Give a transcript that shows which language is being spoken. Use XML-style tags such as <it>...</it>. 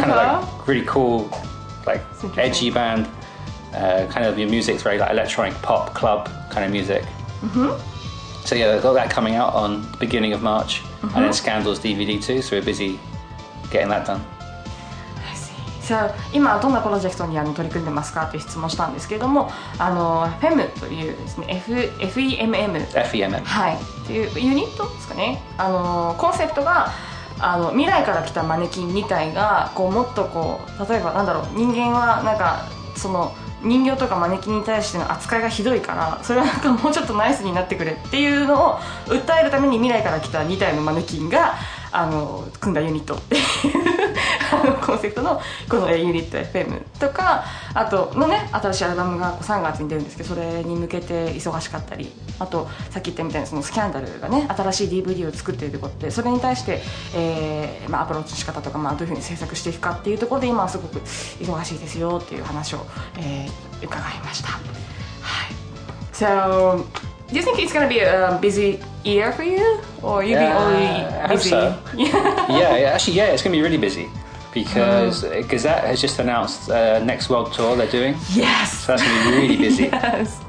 <en>kind of like really cool, like edgy band, kind of your music's very like electronic pop club kind of music. Mm-hmm. So yeah, they've got that coming out on the beginning of March. Mm-hmm. And then Scandal's DVD too, so we're busy getting that done.</en> <ja>So, 今どんなプロジェクトに取り組んでますかって質問したんですけれども、あの FEMM というですね、FEMM、はい、というユニットですかね。あのコンセプトがあの未来から来たマネキン2体がこうもっとこう、例えばなんだろう、人間はなんかその人形とかマネキンに対しての扱いがひどいから、それはなんかもうちょっとナイスになってくれっていうのを訴えるために、未来から来た2体のマネキンがあの組んだユニットっていうコンセプトのこのユニット FM とか、あとのね、新しいアルバムが3月に出るんですけど、それに向けて忙しかったり、あとさっき言ったみたいなそのスキャンダルがね、新しい DVD を作っているところで、それに対して、まあ、アプローチの仕方とか、まあ、どういうふうに制作していくかっていうところで今はすごく忙しいですよっていう話を、伺いました。はい。</ja> <en>So, do you think it's gonna be a busy year for you, or you be only busy? So. Yeah, actually, it's gonna be really busy because Gazette has just announced next world tour they're doing. Yes. So that's gonna be really busy. Yes.</en>